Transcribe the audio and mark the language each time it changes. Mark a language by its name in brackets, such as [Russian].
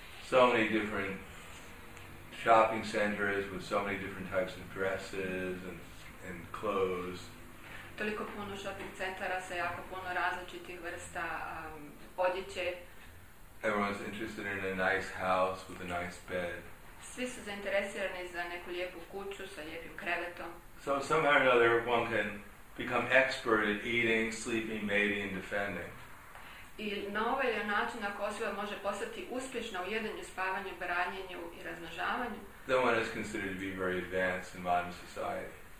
[English] So many different shopping centers with so many different types of dresses and clothes. [Croatian] Toliko puno shopping centara sa jako puno različitih vrsta odjeće. [English] Everyone's interested in a nice house with a nice bed. [Croatian] Svi su zainteresirani za neku lijepu kuću sa lijepim krevetom. [English] So somehow or another one can become expert at eating, sleeping, mating and defending. [Croatian] I na ovaj način ako osoba može postati uspješna u jedanju, spavanju, branjenju i razmnožavanju, [English] then one is considered to be very advanced in modern society.